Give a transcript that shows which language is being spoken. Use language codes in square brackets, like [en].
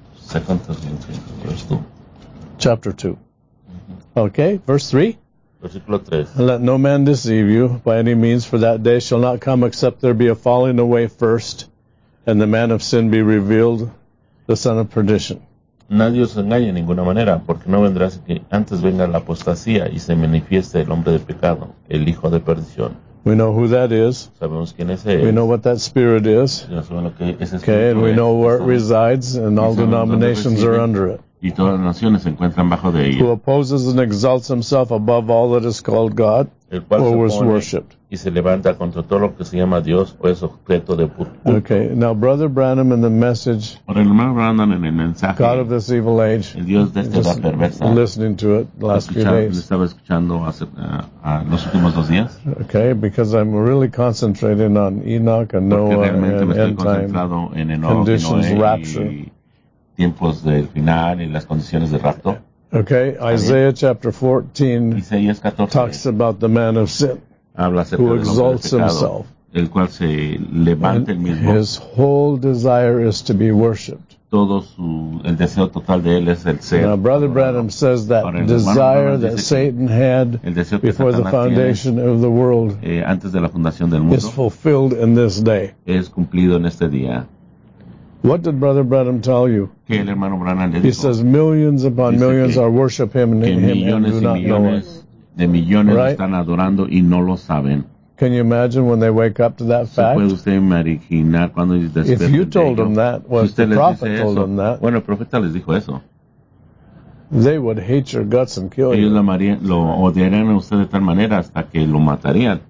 [en] Second Thessalonians, verse 2. Chapter 2. Mm-hmm. Okay, verse 3. [es] Versículo 3. [en] Let no man deceive you by any means, for that day shall not come except there be a falling away first, and the man of sin be revealed, the son of perdition. [es] Nadie os engañe de ninguna manera, porque no vendrá sin que antes venga la apostasía y se manifieste el hombre de pecado, el hijo de perdición. [en] We know who that is. [es] Sabemos quién es él. [en] We know what that spirit is. [es] Ya sabemos lo que ese espíritu [en] okay, and [es] es. [en] We know where it resides, and all denominations are under it. [es] Y todas las naciones se encuentran bajo de ella. [en] Who opposes and exalts himself above all that is called God, [es] el cual [en] or was worshipped. [es] Y se levanta contra todo lo que se llama Dios o es objeto de culto. [en] Okay, now Brother Branham in the message, [es] el hermano Branham en el mensaje, [en] God of this evil age, [es] el Dios de esta edad perversa, [en] listening to it the last few days. [es] Estaba escuchando hace los últimos dos días. [en] Okay, because I'm really concentrating on Enoch and Noah and end time [es] concentrado en Enoch, [en] conditions, [es] Noé, [en] rapture. [es] Tiempos del final y las condiciones de rapto. [en] Okay, Isaiah chapter 14, [es] Isaías 14 [en] talks about the man of sin, [es] habla acerca [en] who exalts himself, [es] el cual se levanta el mismo. [en] His whole desire is to be worshipped. [es] Todo su, el deseo total de él es el ser. [en] Now, Brother Branham says that desire that Satan had before the foundation of the world [es] antes de la fundación del mundo [en] is fulfilled in this day. [es] Es cumplido en este día. [en] What did Brother Branham tell you? [es] ¿Qué el hermano Branham le [en] he [es] dijo? [en] Says millions upon [es] dice [en] millions are worshiping him and, [es] que [en] him [es] millones [en] and do [es] y [en] not [es] millones [en] know [es] de millones right? Están adorando y no lo saben. [en] Can you imagine when they wake up to that fact? [es] ¿Se puede usted imaginar cuando [en] if you told them that, well, [es] si [en] the told them that, was the prophet told them that? [es] Bueno, el profeta les dijo eso. [en] They would hate your guts and kill [es] ellos [en] you. [es] La maría, lo odiarían a usted de tal manera hasta que lo matarían.